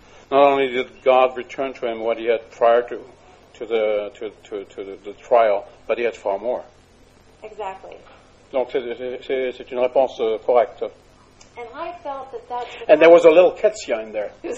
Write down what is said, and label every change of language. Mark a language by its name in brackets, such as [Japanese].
[English] Not only did God return to him what he had prior to the trial, but he had far more. Exactly. [French] Donc c'est une réponse correcte. [English] And I felt that that's the And there was a little Ketzia in there.